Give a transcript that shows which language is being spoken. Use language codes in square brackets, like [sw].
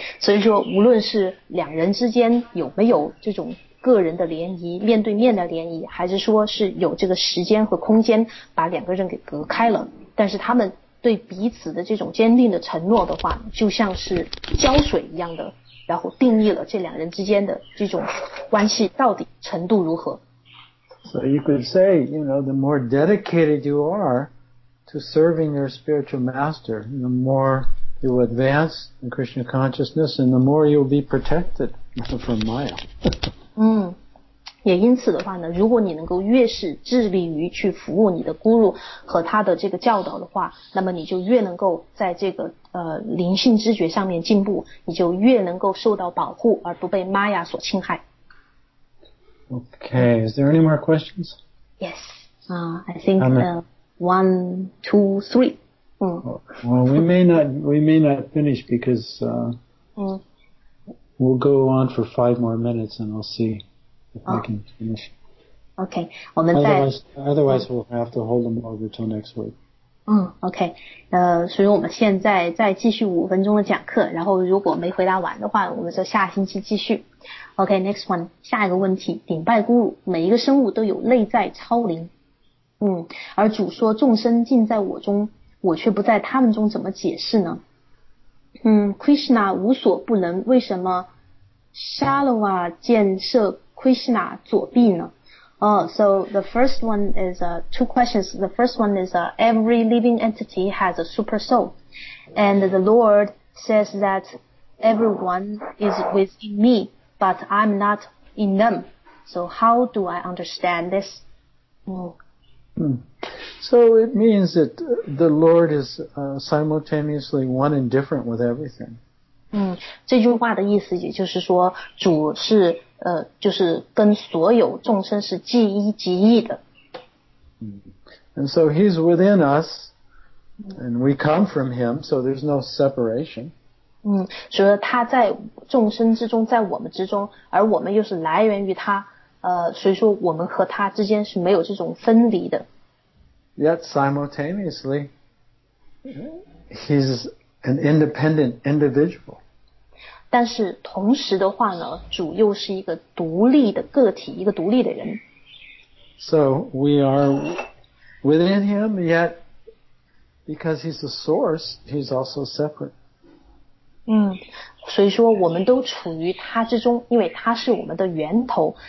[zh] 所以说，无论是两人之间有没有这种个人的联谊，面对面的联谊，还是说是有这个时间和空间把两个人给隔开了，但是他们对彼此的这种坚定的承诺的话，就像是胶水一样的。然后定义了这两人之间的这种关系到底程度如何。 [en] So you could say, you know, the more dedicated you are to serving your spiritual master, the more you advance in Krishna consciousness and the more you'll be protected from Maya. [zh] 也因此的话呢，如果你能够越是致力于去服务你的孤乳和他的这个教导的话，那么你就越能够在这个灵性知觉上面进步，你就越能够受到保护而不被玛雅所侵害。 [en] Okay, is there any more questions? Yes, I think one, two, three. Well, we may not finish because we'll go on for 5 more minutes and I'll see if I can finish. [zh] Okay, 我们再 [en] otherwise we'll have to hold them over till next week. [zh] OK, 所以我们现在再继续5分钟的讲课，然后如果没回答完的话，我们就下星期继续。 OK, [en] next one, [zh] 下一个问题，顶拜孤乳，每一个生物都有内在超灵。而主说众生尽在我中，我却不在他们中，怎么解释呢？ Krishna 无所不能，为什么 Shalava 建设 Krishna 左臂呢？ [en] So the first one is two questions. The first one is every living entity has a super soul. And the Lord says that everyone is within me, but I'm not in them. So how do I understand this? So it means that the Lord is simultaneously one and different with everything. [zh] 这句话的意思也就是说主是就是跟所有众生是即一即一的。 [en] And so he's within us, and we come from him, so there's no separation. [zh] 所以他在众生之中，在我们之中，而我们又是来源于他，所以说我们和他之间是没有这种分离的。 [en] Yet simultaneously, he's an independent individual. [zh] 但是同时的话呢，主又是一个独立的个体，一个独立的人。 [en] So we are within him, yet because he's the source, he's also separate. [zh] 所以说我们都处于他之中，因为他是我们的源头。